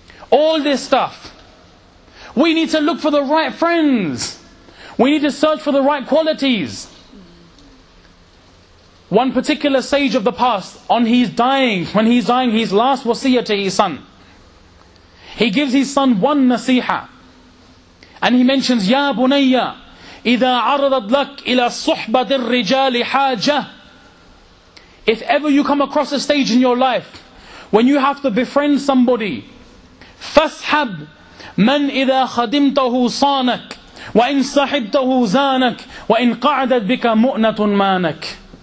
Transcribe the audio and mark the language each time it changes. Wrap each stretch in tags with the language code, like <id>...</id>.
<en>All this stuff. We need to look for the right friends. We need to search for the right qualities. One particular sage of the past, on his dying, when he's dying, his last wasiyah to his son. He gives his son one nasiha. And he mentions, Ya bunayya,</en> <ar>إِذَا عَرَضَتْ لَكْ إِلَى صُحْبَةِ الرِّجَالِ حَاجَةً.</ar> <en>If ever you come across a stage in your life when you have to befriend somebody,</en> <ar>فَاسْحَبْ مَنْ إِذَا خَدِمْتَهُ صَانَكْ وَإِنْ صَحِبْتَهُ زَانَكْ وَإِنْ قَعْدَتْ بِكَ مُؤْنَةٌ مَانَكْ.</ar>